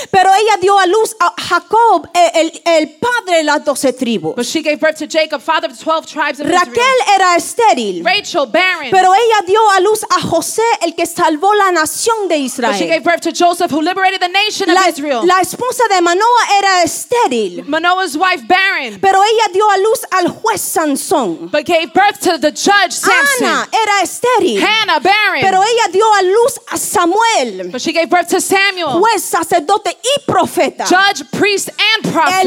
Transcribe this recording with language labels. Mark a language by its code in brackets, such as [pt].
[es] Pero ella dio a luz a Jacob, el padre de las 12 tribus. [en] But she gave birth to Jacob, father of the 12 tribes of [es] Raquel [en] Israel. [es] Raquel era estéril. [en] Rachel barren. [es] Pero ella dio a luz a José, el que salvó la nación de Israel. [en] But she gave birth to Joseph, who liberated the nation of Israel. [es] La esposa de Manoah era estéril. [en] Manoah's wife barren. [es] Pero ella dio a luz al juez Sansón. [en] But gave birth to the judge Samson. [es] Ana era estéril. [en] Hannah barren. [es] Pero ella dio a luz a Samuel. [en] But she gave birth to Samuel. [es] Juez, sacerdote y profeta. [en] Judge, priest and prophet.